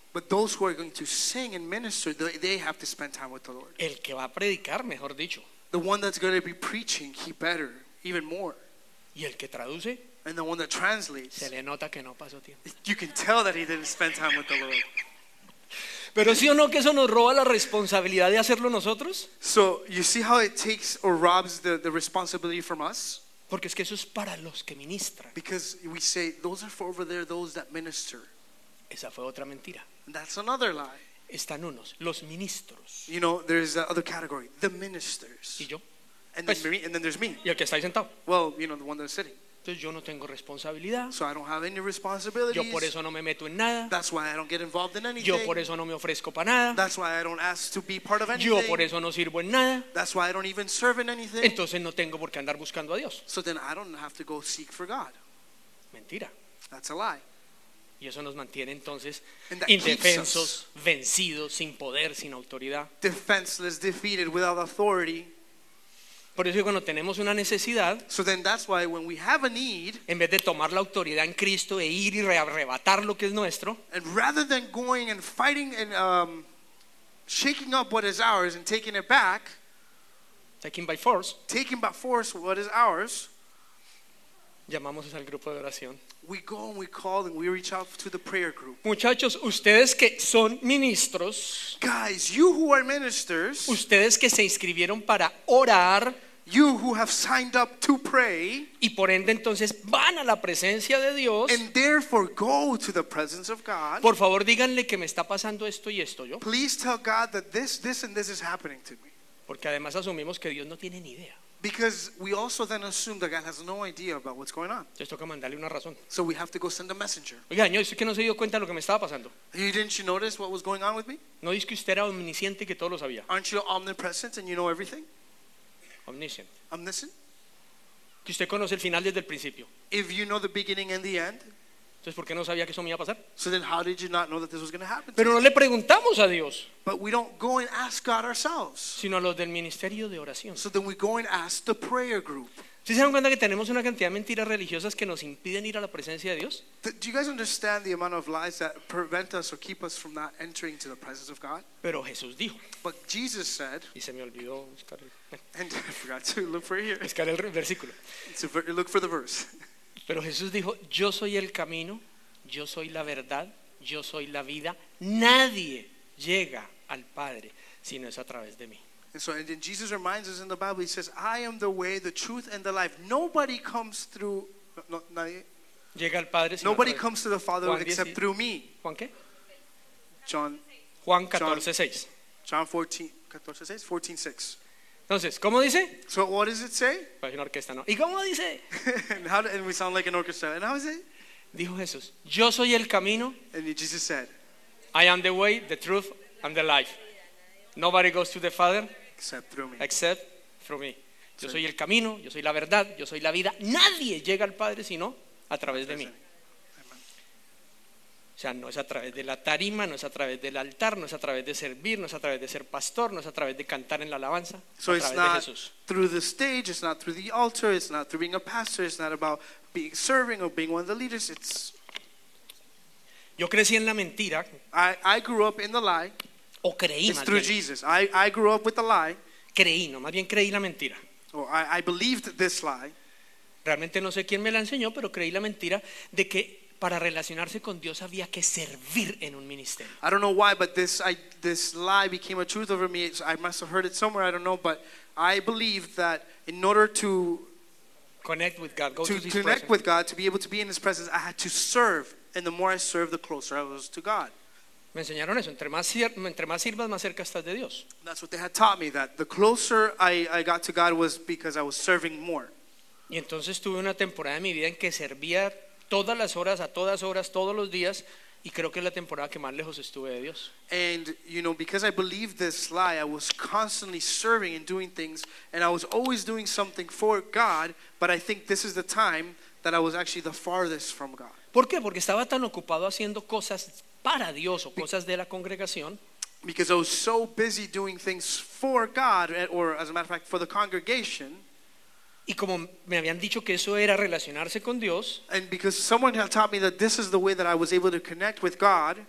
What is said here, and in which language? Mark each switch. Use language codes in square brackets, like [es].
[en] But those who are going to sing and minister, they have to spend time with the Lord. [es] El que va a predicar, mejor dicho. [en] The one that's going to be preaching, he better, even more. [es] Y el que traduce, [en] and the one that translates, [es] se le nota que no pasó tiempo. [en] You can tell that he didn't spend time with the Lord. [es] Pero ¿sí o no que eso nos roba la responsabilidad de hacerlo nosotros? [en] So you see how it takes or robs the responsibility from us? [es] Porque es que eso es para los que ministran. [en] Because we say those are for over there, those that minister. [es] Esa fue otra mentira. [en] That's another lie. [es] Están unos, los ministros. [en] You know, there's the other category, the ministers. [es] ¿Y yo? [en] And then, [es] pues, [en] me, and then there's me. [es] ¿Y el que está ahí sentado? [en] Well, you know, the one that's sitting. [es] Entonces yo no tengo responsabilidad. [en] So I don't have any responsibilities. [es] Yo por eso no me meto en nada. [en] That's why I don't get involved in anything. [es] Yo por eso no me ofrezco para nada. [en] That's why I don't ask to be part of anything. [es] Yo por eso no sirvo en nada. [en] That's why I don't even serve in anything. [es] Entonces no tengo por qué andar buscando a Dios. [en] So then I don't have to go seek for God. [es] Mentira. [en] That's a lie. [es] Y eso nos mantiene entonces indefensos, vencidos, sin poder, sin autoridad. [en] Defenseless, defeated, without authority. [es] Por eso cuando tenemos una necesidad, [en] so then that's why when we have a need, [es] en vez de tomar la autoridad en Cristo e ir y arrebatar lo que es nuestro, [en] and rather than going and fighting and shaking up what is ours and taking it back, taking by force what is ours, [es] llamamos al grupo de oración. [en] We go and we call and we reach out to the prayer group. [es] Muchachos, ustedes que son ministros, [en] guys, you who are ministers, [es] ustedes que se inscribieron para orar, [en] you who have signed up to pray, [es] y por ende entonces van a la presencia de Dios, [en] and therefore go to the presence of God. [es] Por favor, díganle que me está pasando esto y esto yo. [en] Please tell God that this and this is happening to me. [es] Porque además asumimos que Dios no tiene ni idea. [en] Because we also then assume that God has no idea about what's going on. [es] Les toca mandarle una razón. [en] So we have to go send a messenger. [es] Oiga, señor, ¿es que no se dio cuenta de lo que me estaba pasando? [en] Didn't you notice what was going on with me? [es] ¿No dice que usted era omnisciente y que todo lo sabía? [en] Aren't you omnipresent and you know everything? Omniscient. Omniscient. [es] Que usted conoce el final desde el principio. [en] If you know the beginning and the end. [es] Entonces, ¿por qué no sabía que eso me iba a pasar? [en] So then how did you not know that this was going to happen? [es] Pero no le preguntamos a Dios. [en] But we don't go and ask God ourselves. [es] Sino a los del ministerio de oración. [en] So then we go and ask the prayer group. [es] ¿Sí se dan cuenta que tenemos una cantidad de mentiras religiosas que nos impiden ir a la presencia de Dios? [en] Do you guys understand the amount of lies that prevent us or keep us from not entering to the presence of God? [es] Pero Jesús dijo. [en] But Jesus said. [es] Y se me olvidó buscar el. [en] And I forgot to look for here. [es] Buscar el versículo. [en] So look for the verse. [es] Pero Jesús dijo, yo soy el camino, yo soy la verdad, yo soy la vida. Nadie llega al Padre si no es a través de mí. [en] And so, and then Jesus reminds us in the Bible, he says, I am the way, the truth, and the life. Nobody comes through, no, [es] nadie. Llega al Padre. [en] Nobody comes to the Father except through me. [es] ¿Juan qué? [en] John. [es] Juan 14:6. [en] John 14:6. 14:6. [es] Entonces, ¿cómo dice? [en] So what does it say? [es] Pues una orquesta, ¿no? ¿Y cómo dice? [en] and we sound like an orchestra. And how is it? [es] Dijo Jesús, yo soy el camino. [en] And Jesus said, I am the way, the truth, and the life. Nobody goes to the Father except through me. [es] Yo soy el camino, yo soy la verdad, yo soy la vida. Nadie llega al Padre sino a través de mí. O sea, no es a través de la tarima, no es a través del altar, no es a través de servir, no es a través de ser pastor, no es a través de cantar en la alabanza, [en] so [es] a través [en] it's not [es] de Jesús. [en] Through the stage, it's not through the altar, it's not through being a pastor, it's not about being serving or being one of the leaders. It's [es] yo crecí en la mentira. [en] I grew up in the lie. [es] O creí, [en] it's through Jesus. I grew up with the lie. [es] Creí, no, más bien creí la mentira. [en] Or I believed this lie. [es] Realmente no sé quién me la enseñó, pero creí la mentira de que para relacionarse con Dios había que servir en un ministerio. [en] I don't know why, but this lie became a truth over me. It's, I must have heard it somewhere, I don't know, but I believe that in order to connect with God, go to connect presence. With God, to be able to be in his presence, I had to serve, and the more I served, the closer I was to God. [es] Me enseñaron eso, entre más sirvas, más cerca estás de Dios. [en] That's what they had taught me, that the closer I got to God was because I was serving more. [es] Y entonces tuve una temporada de mi vida en que servía todas las horas, a todas horas, todos los días, y creo que es la temporada que más lejos estuve de Dios. [en] And you know, because I believed this lie, I was constantly serving and doing things, and I was always doing something for God, but I think this is the time that I was actually the farthest from God. [es] ¿Por qué? Porque estaba tan ocupado haciendo cosas para Dios o cosas de la congregación. [en] Because I was so busy doing things for God, or as a matter of fact, for the congregation. [es] Y como me habían dicho que eso era relacionarse con Dios, [en] and because someone had taught me that this is the way that I was able to connect with God,